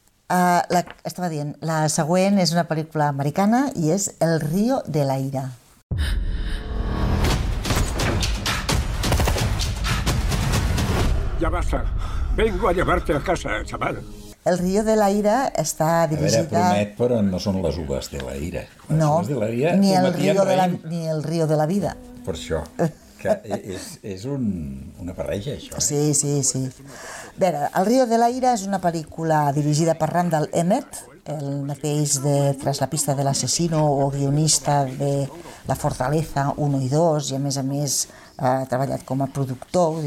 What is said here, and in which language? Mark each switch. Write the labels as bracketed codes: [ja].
[ca] Estava dient, la següent és una pel·lícula americana i és El río de la ira. [es] Ya basta. Vengo a llevarte a casa, chaval. [ca] El río de la ira està dirigida... A veure, promet, però no són les uves de la ira. Les no, uves de la ira, ni, el río de la, ni el río de la vida. Per això, que és una barreja, això. Sí, sí, sí. A veure, El río de la ira és una pel·lícula dirigida per Randall Emmett, el mateix de Tras la pista de l'assassino o guionista de La fortaleza 1 i 2, i a més ha treballat com a productor.